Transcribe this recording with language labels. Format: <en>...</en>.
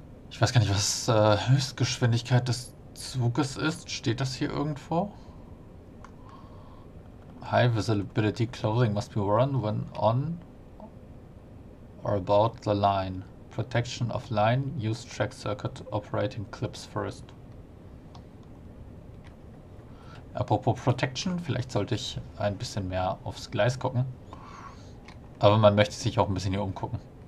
<de>Ich weiß gar nicht, was Höchstgeschwindigkeit des Zuges ist. Steht das hier irgendwo?</de> <en>High visibility clothing must be worn when on or about the line. Protection of line, use track circuit operating clips first.</en> <de>Apropos Protection, vielleicht sollte ich ein bisschen mehr aufs Gleis gucken. Aber man möchte sich auch ein bisschen hier umgucken.</de>